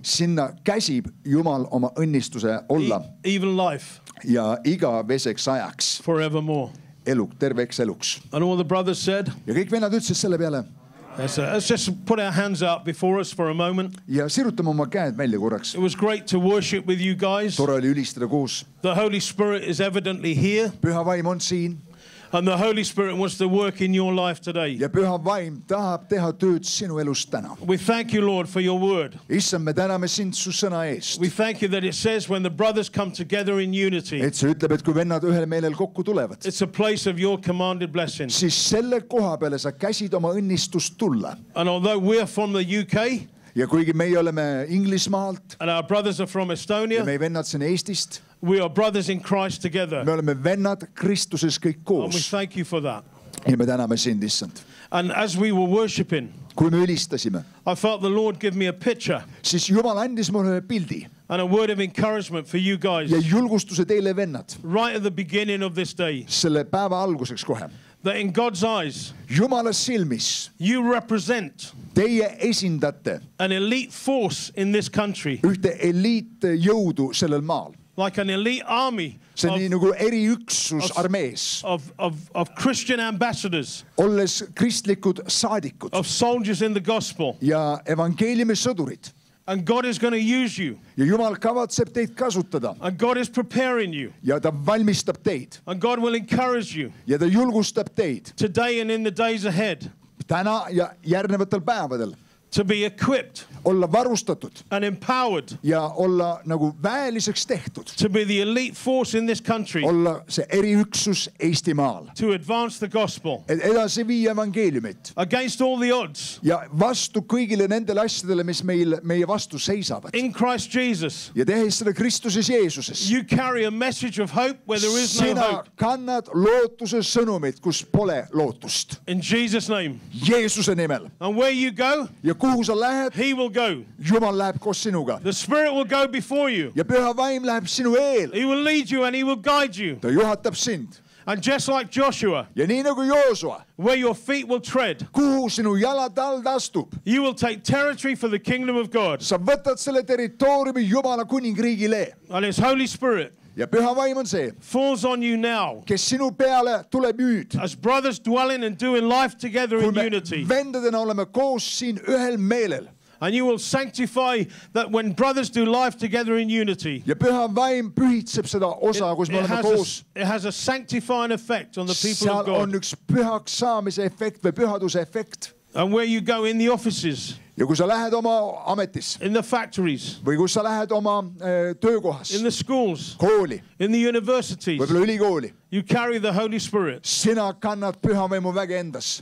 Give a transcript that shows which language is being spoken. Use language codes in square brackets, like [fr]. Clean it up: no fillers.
[et] Sinna käsib Jumal oma õnnistuse olla. [en] Even life. [et] Ja iga veseks ajaks. [en] Forevermore. [et] Eluk, terveks eluks. [en] And all the brothers said. [et] Ja kõik vennad ütlesid selle peale. [en] Let's just put our hands out before us for a moment. [et] Ja sirutame oma käed välja korraks. [en] It was great to worship with you guys. [et] Tore oli ülistada koos. [en] The Holy Spirit is evidently here. [et] Püha vaim on siin. [en] And the Holy Spirit wants to work in your life today. [et] Ja püha vaim tahab teha tööd sinu elus täna. [en] We thank you, Lord, for your word. [et] Issand, me täname sind su sõna eest. [en] We thank you that it says when the brothers come together in unity. [et] Et see ütleb, et kui vennad ühel meelel kokku tulevad. [en] It's a place of your commanded blessing. [et] Siis selle koha peale sa käsid oma õnnistust tulla. [en] And although we are from the UK. [et] Ja kuigi meie oleme Inglismaalt. [en] And our brothers are from Estonia. [et] Ja meie vennad siin Eestist. [en] We are brothers in Christ together. [et] Me oleme vennad Kristuses kõik koos. [en] And we thank you for that. [et] Ja me täname sind, Issand. [en] And as we were worshiping, [et] kui me ülistasime, [en] I felt the Lord give me a picture. [et] Siis Jumal andis mulle pildi. [en] And a word of encouragement for you guys. [et] Ja julgustuse teile vennad. [en] Right at the beginning of this day. [et] Selle päeva alguseks kohe. [en] That in God's eyes, [et] Jumala silmis, [en] you represent [et] teie esindate [en] an elite force in this country. [et] Ühte eliit jõudu sellel maal. [en] Like an elite army of Christian ambassadors, [et] olles kristlikud saadikud, [en] of soldiers in the gospel, [et] ja evangeeliumi sõdurid. [en] And God is going to use you. [et] Ja Jumal kavatseb teid kasutada. [en] And God is preparing you. [et] Ja ta valmistab teid. [en] And God will encourage you. [et] Ja ta julgustab teid. [en] Today and in the days ahead. [et] Täna ja järgnevatel päevadel. [en] To be equipped, [et] olla varustatud, [en] and empowered, [et] ja olla nagu väeliseks tehtud, [en] to be the elite force in this country, [et] olla see eri üksus Eestimaal, [en] to advance the gospel, [et] et edasi viia evangeeliumit, [en] against all the odds, [et] ja vastu kõigile nendele asjadele, mis meie vastu seisavad, [en] in Christ Jesus, [et] ja tehes seda Kristuses Jeesuses, [en] you carry a message of hope where there is no hope, [et] sina kannad lootuse sõnumit, kus pole lootust, [en] in Jesus' name, [et] Jeesuse nimel, [en] and where you go, [et] ja kuhu sa lähed, [en] he will go. [et] Jumal läheb koos sinuga. [en] The Spirit will go before you. [et] Ja püha vaim läheb sinu eel. [en] He will lead you and he will guide you. [et] Ta juhatab sind. [en] And just like Joshua. [et] Ja nii nagu Joosua. [en] Where your feet will tread. [et] Kuhu sinu jalad alt astub. [en] You will take territory for the kingdom of God. [et] Sa võtad selle territooriumi Jumala kuningriigile. [en] And his Holy Spirit. [et] Ja püha vaim on see, [en] falls on you now, [et] kes sinu peale tuleb nüüd, [en] as brothers dwelling and doing life together in unity. [et] Kui me vendadena oleme koos siin ühel meelel. [en] And you will sanctify that when brothers do life together in unity. [et] Ja püha vaim pühitseb seda osa, kus me oleme koos. [en] It has a sanctifying effect on the people of God. [et] Seal on üks pühaks saamise effekt või pühaduse effekt. [en] And where you go in the offices. [et] Ja kui sa lähed oma ametis. [en] In the factories. [et] Või kui sa lähed oma töökohas. [en] In the schools. [et] Kooli. [en] In the universities. [et] Võibolla ülikooli. [en] You carry the Holy Spirit. [et] Sina kannad püha vaimu väge endas.